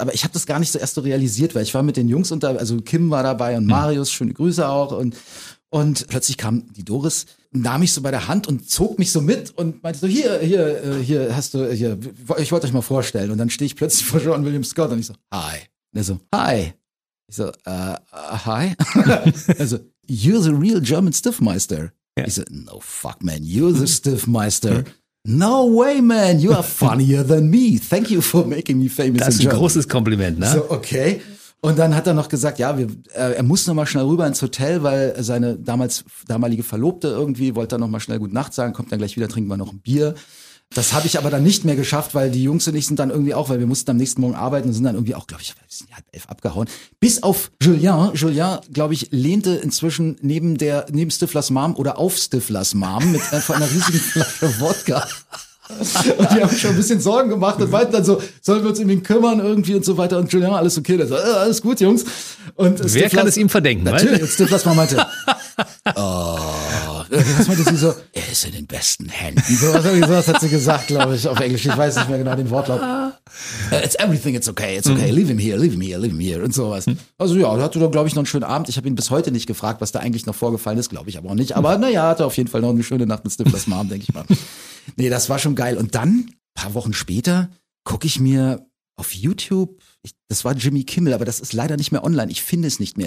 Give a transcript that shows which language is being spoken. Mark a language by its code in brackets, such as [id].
[de] Aber ich habe das gar nicht so erst so realisiert, weil ich war mit den Jungs unter, also Kim war dabei und Marius, schöne Grüße auch. Und plötzlich kam die Doris, nahm mich so bei der Hand und zog mich so mit und meinte so, hier hast du, hier, ich wollte euch mal vorstellen. Und dann stehe ich plötzlich vor Sean William Scott und ich so, hi. Und er so, hi. Ich so, hi. [en] Also, you're the real German Stiffmeister. Ja. [de] Ich so, [en] no fuck, man, you're the Stiffmeister. No way, man, you are funnier than me. Thank you for making me famous in Germany. [de] Das ist ein großes Kompliment, ne? So, okay. Und dann hat er noch gesagt, ja, er muss noch mal schnell rüber ins Hotel, weil seine damalige Verlobte irgendwie wollte dann noch mal schnell gute Nacht sagen, kommt dann gleich wieder, trinken wir noch ein Bier. Das habe ich aber dann nicht mehr geschafft, weil die Jungs und ich sind dann irgendwie auch, weil wir mussten am nächsten Morgen arbeiten und sind dann irgendwie auch, glaube ich, sind halb elf abgehauen. Bis auf Julien, glaube ich, lehnte inzwischen neben Stiflers Mom oder auf Stiflers Mom mit einfach einer riesigen Flasche Wodka. Und die haben schon ein bisschen Sorgen gemacht und meinten dann so, sollen wir uns um ihn kümmern irgendwie und so weiter. Und Julien, alles okay. Der so, alles gut, Jungs. Und wer kann es ihm verdenken? Natürlich. Und Stiflers Mom meinte, oh, er ist in den besten Händen. So was, irgendwie sowas hat sie gesagt, glaube ich, auf Englisch. Ich weiß nicht mehr genau den Wortlaut. [en] It's everything, it's okay, leave him here [de] und sowas. Also ja, hatte da, glaube ich, noch einen schönen Abend. Ich habe ihn bis heute nicht gefragt, was da eigentlich noch vorgefallen ist, glaube ich aber auch nicht. Aber naja, hatte auf jeden Fall noch eine schöne Nacht mit Stiflers Mom, denke ich mal. Nee, das war schon geil. Und dann, ein paar Wochen später, gucke ich mir auf YouTube, das war Jimmy Kimmel, aber das ist leider nicht mehr online. Ich finde es nicht mehr.